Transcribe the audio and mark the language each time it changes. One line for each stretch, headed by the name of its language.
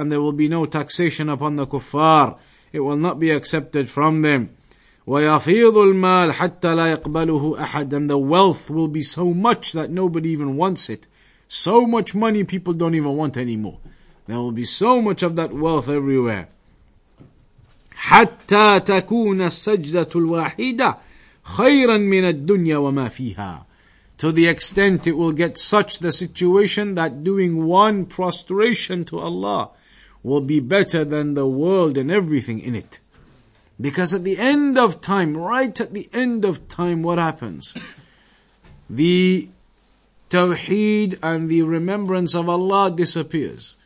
English: And there will be no taxation upon the kuffar. It will not be accepted from them.
Arabic: وَيَفِيضُ الْمَالِ حَتَّى لَا يَقْبَلُهُ أَحَدٍ.
English: And the wealth will be so much that nobody even wants it. So much money people don't even want anymore. There will be so much of that wealth everywhere.
Arabic: حتى تكون السجدة الواحدة خيرا من الدنيا وما فيها.
English: To the extent it will get such the situation that doing one prostration to Allah will be better than the world and everything in it. Because at the end of time, right at the end of time, what happens? The tawheed and the remembrance of Allah disappears.